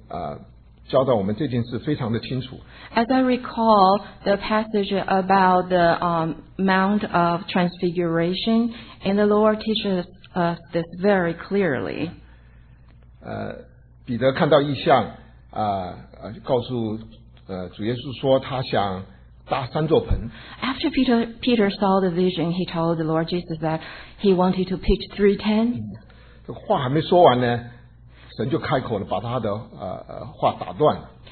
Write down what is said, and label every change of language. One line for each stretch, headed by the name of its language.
Chinese: 我想到这个在主耶稣登山变相的这一段记载呢，教导我们这件事非常的清楚。
English: As I recall the passage about the Mount of Transfiguration, and the Lord teaches us this very clearly.
Chinese: 彼得看到异象，告诉主耶稣说他想搭三座棚。
English: After Peter saw the vision, he told the Lord Jesus that he wanted to pitch three tents.
Chinese: 这话还没说完呢，神就开口了，把他的话打断了。